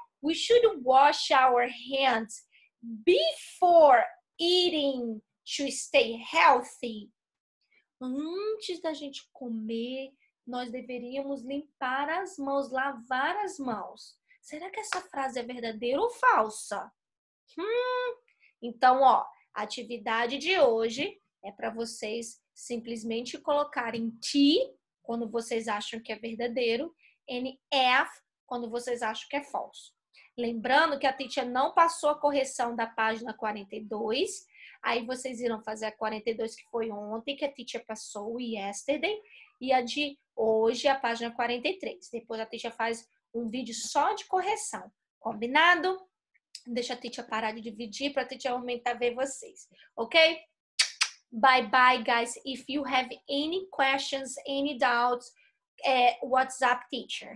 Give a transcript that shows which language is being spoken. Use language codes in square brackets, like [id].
[en] We should wash our hands before eating to stay healthy. [pt] Antes da gente comer, nós deveríamos limpar as mãos, lavar as mãos. Será que essa frase é verdadeira ou falsa? Então, ó, a atividade de hoje é para vocês simplesmente colocarem T quando vocês acham que é verdadeiro e F quando vocês acham que é falso. Lembrando que a teacher não passou a correção da página 42. Aí vocês irão fazer a 42 que foi ontem, que a teacher passou, yesterday, e a de hoje, a página 43. Depois a teacher faz um vídeo só de correção. Combinado? Deixa a teacher parar de dividir para a teacher aumentar ver vocês. [en] Ok? Bye bye, guys. If you have any questions, any doubts, WhatsApp teacher.